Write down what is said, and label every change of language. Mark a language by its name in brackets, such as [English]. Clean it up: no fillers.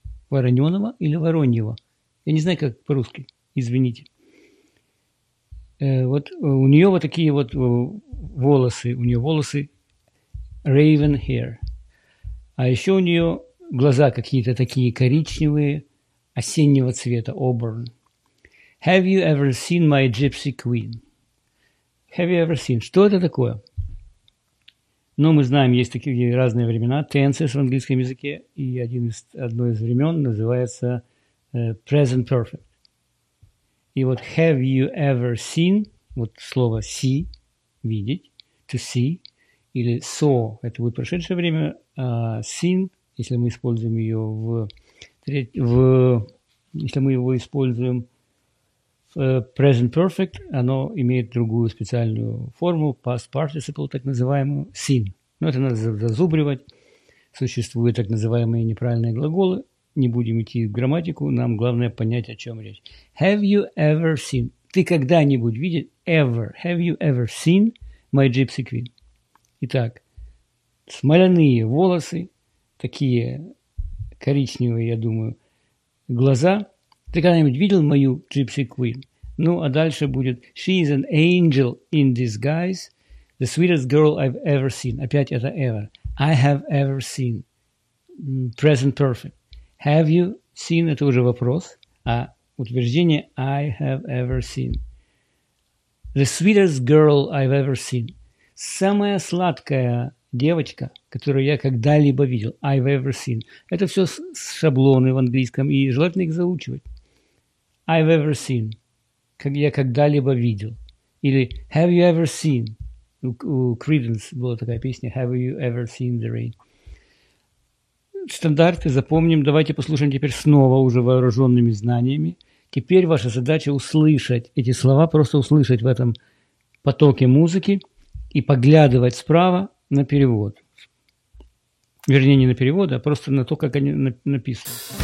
[Russian] Вороненого или вороньего? Я не знаю, как по-русски. Извините. Вот у нее вот такие вот волосы. У нее волосы [English] raven hair. [Russian] А еще у нее глаза какие-то такие коричневые, осеннего цвета, auburn. [English] Have you ever seen my gypsy queen? Have you ever seen? [Russian] Что это такое? Но мы знаем, есть такие разные времена. Tenses в английском языке. И одно из времен называется present perfect. И вот [English] have you ever seen, [Russian] вот слово see, видеть, to see, или saw, это будет прошедшее время, а seen, если мы используем ее если мы его используем в present perfect, оно имеет другую специальную форму, past participle, так называемую, seen. Но это надо зазубривать. Существуют так называемые неправильные глаголы. Не будем идти в грамматику, нам главное понять, о чем речь. [English] Have you ever seen? [Russian] Ты когда-нибудь видел ever? [English] Have you ever seen my gypsy queen? [Russian] Итак, смоляные волосы, такие коричневые, я думаю, глаза. Ты когда-нибудь видел мою gypsy queen? Ну, а дальше будет [English] she is an angel in disguise, the sweetest girl I've ever seen. [Russian] Опять это ever. [English] I have ever seen. Present perfect. Have you seen? [Russian] Это уже вопрос. А утверждение [English] I have ever seen. The sweetest girl I've ever seen. [Russian] Самая сладкая девочка, которую я когда-либо видел. [English] I've ever seen. [Russian] Это все шаблоны в английском, и желательно их заучивать. [English] I've ever seen. [Russian] Как я когда-либо видел. Или have you ever seen? У Creedence была такая песня [English] Have you ever seen the rain? [Russian] Стандарты запомним. Давайте послушаем теперь снова уже вооруженными знаниями. Теперь ваша задача услышать эти слова, просто услышать в этом потоке музыки и поглядывать справа на перевод. Вернее, не на перевод, а просто на то, как они написаны.